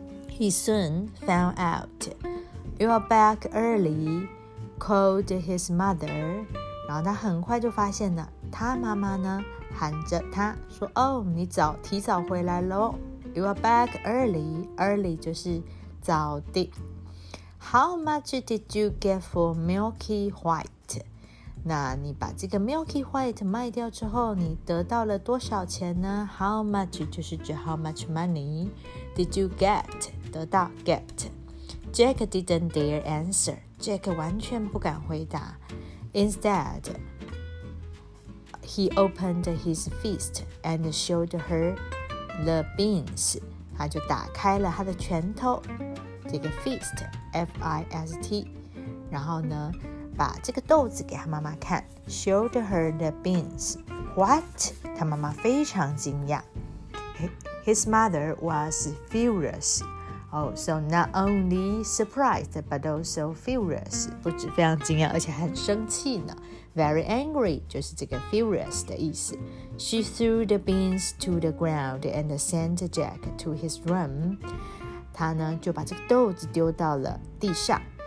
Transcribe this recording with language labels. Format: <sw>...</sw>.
<en>He soon found out. You are back early, called his mother.</en> <zh>然后他很快就发现了，他妈妈呢喊着他说，哦，你早提早回来咯。</zh> <en>You are back early. Early 就是早的。 How much did you get for Milky White?</en> <zh>那你把这个 Milky White 卖掉之后，你得到了多少钱呢？</zh> <en>How much 就是指 how much money did you get? 得到 get. Jack didn't dare answer.</en> <zh>Jack 完全不敢回答。</zh> <en>Instead, he opened his fist and showed her the beans.</en> <zh>他就打开了他的拳头，这个 fist, F-I-S-T. 然后呢，把这个豆子给他妈妈看。</zh> <en>Showed her the beans. What? 他妈妈非常惊讶。 His mother was furious. Oh, so not only surprised, but also furious.</en> <zh>不止非常惊讶，而且很生气呢。 Very angry, 就是这个 furious 的意思。</zh> <en>She threw the beans to the ground and sent Jack to his room.</en> <zh>她呢，就把这个豆子丢到了地上。</zh>